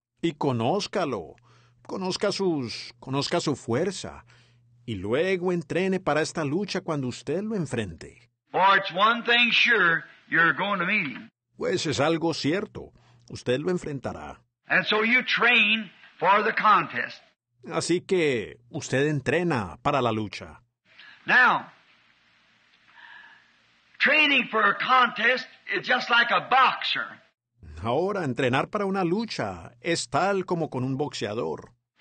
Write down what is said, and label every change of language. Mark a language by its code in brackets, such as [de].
[es] Y conózcalo, conozca su fuerza. Y luego entrene para esta lucha cuando usted lo enfrente. [en] Well, it's one thing sure, you're going to meet him. [es] Pues es algo cierto. Usted lo enfrentará. [en] And so you train for the contest. [es] Así que usted entrena para la lucha. [en] Now, training for a contest is just like a boxer. [es] Ahora, entrenar para una lucha es tal como con un boxeador.